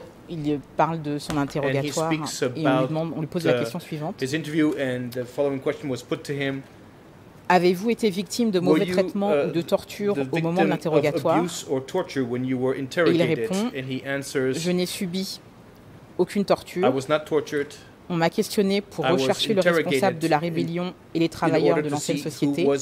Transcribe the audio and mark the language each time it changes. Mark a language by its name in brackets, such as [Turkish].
[French] Il parle de son interrogatoire et on lui pose la question suivante. [English] His interview and the following question was put to him. [French] Avez-vous été victime de mauvais traitements ou de torture au moment de l'interrogatoire? Et il répond, je n'ai subi aucune torture. [English] I was not tortured. [French] On m'a questionné pour rechercher le responsable de la rébellion et les travailleurs de l'ancienne société.